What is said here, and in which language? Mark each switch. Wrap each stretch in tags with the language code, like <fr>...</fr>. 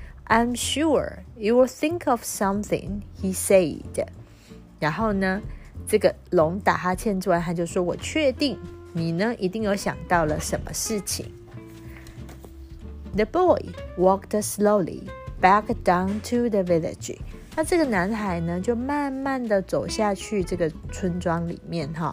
<en>I'm sure you will think of something, he said。</en> <zh>然后呢这个龙打哈欠之外，他就说，我确定你呢一定有想到了什么事情。</zh> <en>The boy walked slowly back down to the village。</en> <zh>那这个男孩呢就慢慢的走下去这个村庄里面。</zh>